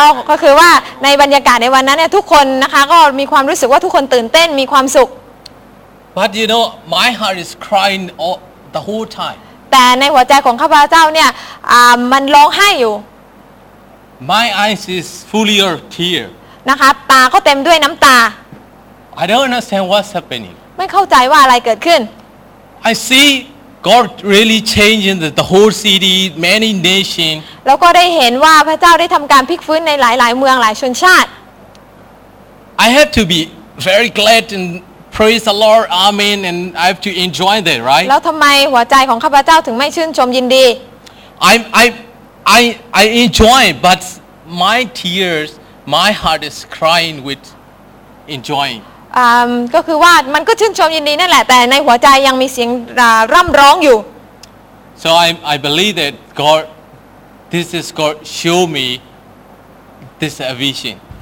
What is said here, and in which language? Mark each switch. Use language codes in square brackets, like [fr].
[th] ก็คือว่าในบรรยากาศในวันนั้นเนี่ยทุกคนนะคะก็มีความรู้สึกว่าทุกคนตื่นเต้นมีความสุข [en] But you know my heart is crying all the whole time [th] แต่ในหัวใจของข้าพเจ้าเนี่ยมันร้องไห้อยู่ [en] My eyes is fully of tear [th] นะคะตาก็เต็มด้วยน้ำตา [en] I don't understand what's happening [th] ไม่เข้าใจว่าอะไรเกิดขึ้น [en] I seeGod really changing the whole city, many nation. [th] แล้วก็ได้เห็นว่าพระเจ้าได้ทำการพลิกฟื้นในหลายๆเมืองหลายชนชาติ [en] I have to be very glad and praise the Lord, Amen, and I have to enjoy that, right? [th] แล้วทำไมหัวใจของข้าพเจ้าถึงไม่ชื่นชมยินดี [en] I enjoy, but my tears, my heart is crying with enjoying. [th] ก็คือว่ามันก็ชื่นชมยินดีนั่นแหละแต่ในหัวใจยังมีเสียงร่ำร้องอยู่ [en] So I believe that God this is God show me this vision